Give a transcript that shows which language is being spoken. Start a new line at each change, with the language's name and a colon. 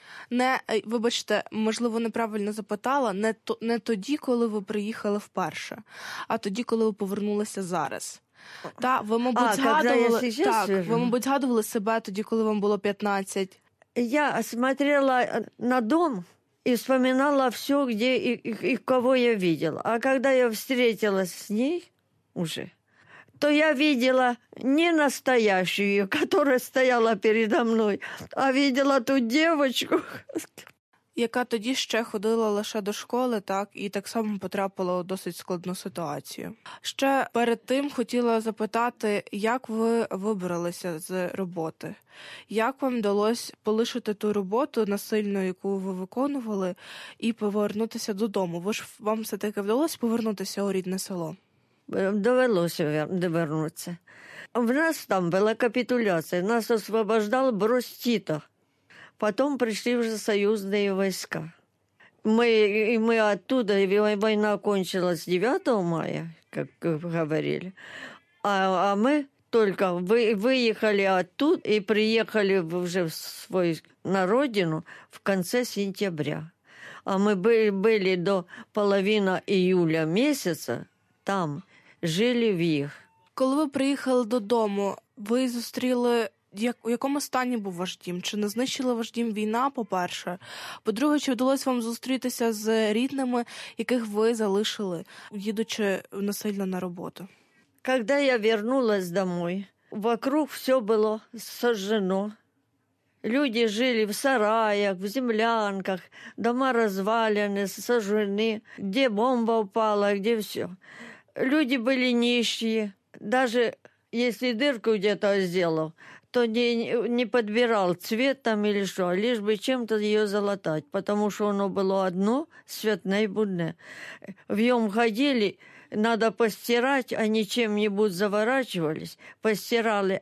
Ukrainian: Не, вибачте, можливо, неправильно запитала. Не тоді, коли ви приїхали вперше, а тоді, коли ви повернулися зараз. Та, ви, мабуть, згадували, ви, мабуть, згадували себе тоді, коли вам було 15.
Russian: Я смотрела на дом... И вспоминала все, где и кого я видела. А когда я встретилась с ней уже, то я видела не настоящую, которая стояла передо мной, а видела ту девочку.
Ukrainian: Яка тоді ще ходила лише до школи, так, і так само потрапила у досить складну ситуацію. Ще перед тим хотіла запитати, як ви вибралися з роботи? Як вам вдалося полишити ту роботу насильно, яку ви виконували, і повернутися додому? Ви ж вам все-таки вдалося повернутися у рідне село? Довелося повернутися. В нас там була капітуляція, нас
Russian: освобождав
Ukrainian: Брус Тіто.
Russian: Потом пришли уже союзные войска. Мы оттуда, война кончилась 9 мая, как говорили. А мы только выехали оттуда и приехали уже в свой, на родину в конце сентября. А мы были до половины июля месяца там, жили в их.
Ukrainian: Коли ви приїхали додому, ви зустріли... Як, у якому стані був ваш дім? Чи не знищила ваш дім війна, по-перше? По-друге, чи вдалося вам зустрітися з рідними, яких ви залишили, їдучи насильно на роботу? Коли я повернулася
Russian: домой, вокруг
Ukrainian: все було
Russian: сожжено. Люди жили в сараях, в землянках, дома
Ukrainian: розвалені,
Russian: сожжені.
Ukrainian: Де бомба впала, де все. Люди були нищі.
Russian: Даже
Ukrainian: якщо
Russian: дырку где-то
Ukrainian: зробив,
Russian: то не подбирал цвет там или что, лишь бы чем-то ее залатать, потому что оно было одно, цветное и будное. В нем ходили, надо постирать, они чем-нибудь заворачивались, постирали.